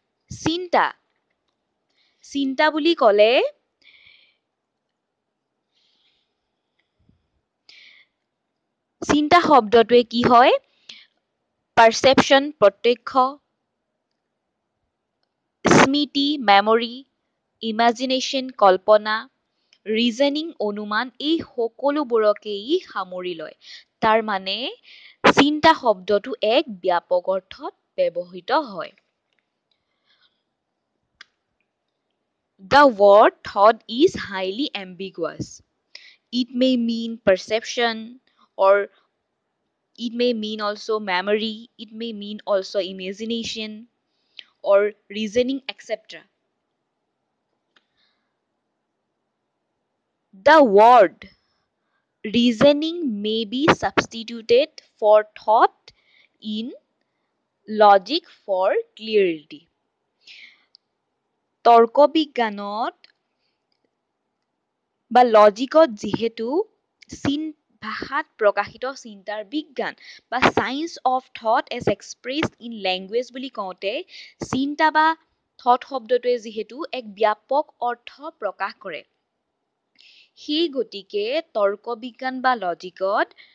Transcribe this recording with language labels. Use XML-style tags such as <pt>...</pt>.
<as>চিন্তা চিন্তা বুলি ক'লে চিন্তা শব্দটোৱে কি হয় পাৰ্চেপশ্যন প্ৰত্যক্ষ স্মৃতি মেমৰি ইমাজিনেশ্যন কল্পনা ৰিজনিং অনুমান এই সকলোবোৰকেই সামৰি লয়। তাৰ মানে চিন্তা শব্দটো এক ব্যাপক অৰ্থত ব্যৱহৃত হয়।</as> <en>The word thought is highly ambiguous. It may mean perception or it may mean also memory, it may mean also imagination or reasoning, etc. The word reasoning may be substituted for thought in logic for clarity.</en> <as>তৰ্ক বিজ্ঞানত বা লজিকত যিহেতু ভাষাত প্ৰকাশিত চিন্তাৰ বিজ্ঞান বা</as> <en>science of thought as expressed in language</en> <as>বুলি কওঁতে চিন্তা বা থট শব্দটোৱে যিহেতু এক ব্যাপক অৰ্থ প্ৰকাশ কৰে সেই গতিকে তৰ্ক বিজ্ঞান বা লজিকত</as>